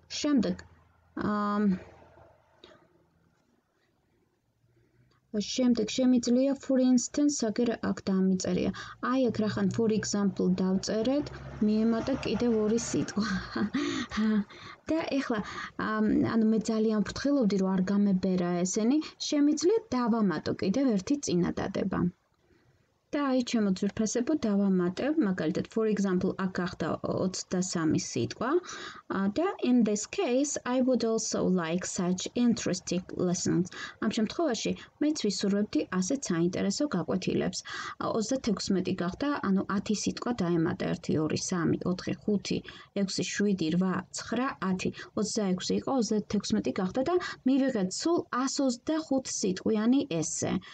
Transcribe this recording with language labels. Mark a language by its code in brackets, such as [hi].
[ka] Შემდეგ შემდეგ შემიძლია [en] for instance [ka] აგერ აქ დამიწერია. აი აქ რახან [en] for example [ka] დავწერეთ, მიემატა კიდევ ორი სიტყვა. Და ახლა ანუ მე ძალიან ფრთხილობდი რომ არ გამებერა ესენი, შემიძლია დავამატო კიდევ ერთი წინადადება. Და აი ჩემო ძვირფასებო დავამატებ, მაგალითად [en] for example [ka] აქ გახდა 23 სიტყვა და [en] in this case I would also like such interesting lessons. [ka] ამ შემთხვევაში მეც ვისურვებდი ასეთ საინტერესო გაკვეთილებს. 36 გახდა, ანუ 10 სიტყვა დაემატა 1 2 3 4 5 6 7 8 9 10. 26 იყო, 36 გახდა და მივიღეთ სულ 125 სიტყვიანი ესე.